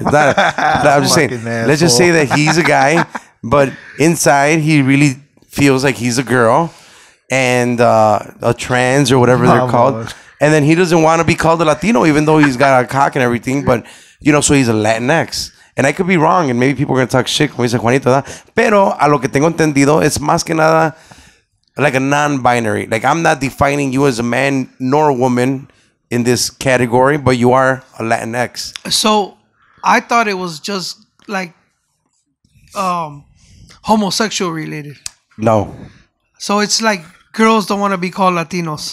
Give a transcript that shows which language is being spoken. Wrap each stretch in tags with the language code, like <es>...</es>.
<en>Let's just say that he's a guy, but inside he really feels like he's a girl and a trans or whatever they're called. And then he doesn't want to be called a Latino, even though he's got a cock and everything. But, you know, so he's a Latinx. And I could be wrong, and maybe people are going to talk shit when he says Juanito.</en> <es>Pero a lo que tengo entendido, es más que nada</es> <en>like a non-binary. Like, I'm not defining you as a man nor a woman in this category, but you are a Latinx. So, I thought it was just, like, homosexual related. No. So, it's like girls don't want to be called Latinos.</en>